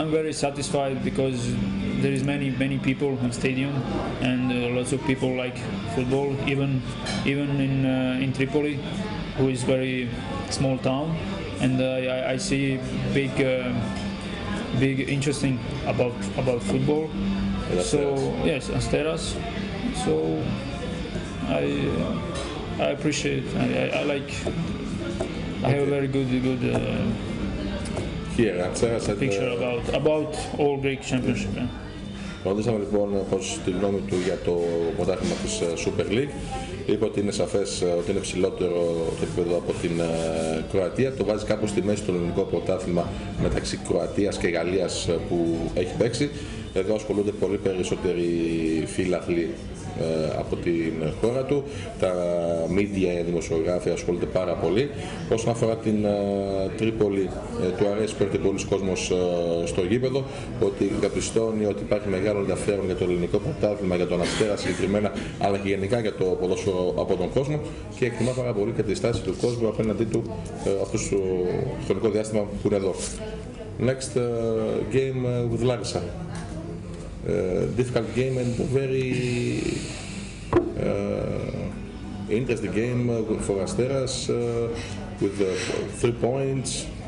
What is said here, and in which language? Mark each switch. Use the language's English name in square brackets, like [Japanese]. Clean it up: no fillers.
[English] I'm very satisfied because there is many many people in the stadium and lots of people like football, even in Tripoli, who is very small town, and I see big big interesting about football. So yes, Asteras. So I appreciate. I like. Okay. I have a very good here, Asteras, picture and, about all Greek championship. Yeah. [Greek] Ρωτήσαμε λοιπόν πώς τη γνώμη του για το πρωτάθλημα της Super League. Είπε ότι είναι σαφές ότι είναι ψηλότερο το επίπεδο από την Κροατία. Το βάζει κάπως στη μέση το ελληνικό πρωτάθλημα μεταξύ Κροατίας και Γαλλίας που έχει παίξει. Εδώ ασχολούνται πολύ περισσότεροι φίλαθλοι από την χώρα του. Τα media, οι δημοσιογράφοι ασχολούνται πάρα πολύ. Όσον αφορά την Τρίπολη, του αρέσει πρώτη πολλής κόσμος στο γήπεδο, ότι καπιστώνει ότι υπάρχει μεγάλο ενδιαφέρον για το ελληνικό πρωτάθλημα, για τον Αστέρα συγκεκριμένα, αλλά και γενικά για το ποδόσφαιρο από τον κόσμο, και εκτιμά πάρα πολύ και τη στάση του κόσμου απέναντί του αυτού στο χρονικό διάστημα που είναι εδώ. [English] Next game with Larissa. Difficult game and very interesting game for Asteras with 3 points.